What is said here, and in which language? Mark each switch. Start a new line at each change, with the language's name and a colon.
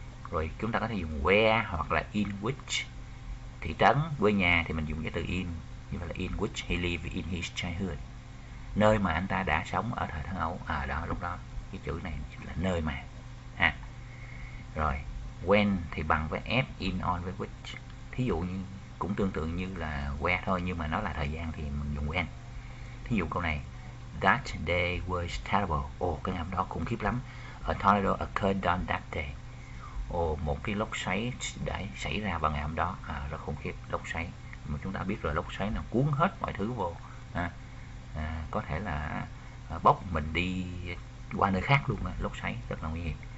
Vietnamese: Rồi chúng ta có thể dùng where hoặc là
English: in which. Thị trấn, quê nhà thì mình dùng cái từ in, như vậy là in which he lived in his childhood,
Vietnamese: nơi mà anh ta đã sống ở thời thơ ấu. À đó, lúc đó cái chữ này là nơi mà ha. Rồi when thì bằng với as, in, on với which. Thí dụ như cũng tương tự như là where thôi, nhưng mà nó là thời gian thì mình dùng when. Thí dụ câu này,
English: that day was terrible.
Vietnamese: Ồ, cái ngày hôm đó khủng khiếp lắm.
English: A tornado occurred on that day.
Vietnamese: Ồ, một cái lốc xoáy đã xảy ra vào ngày hôm đó. À, rất khủng khiếp, lốc xoáy. Mà chúng ta biết rồi, lốc xoáy nó cuốn hết mọi thứ vô. À, có thể là bốc mình đi qua nơi khác luôn. Lốc xoáy rất là nguy hiểm.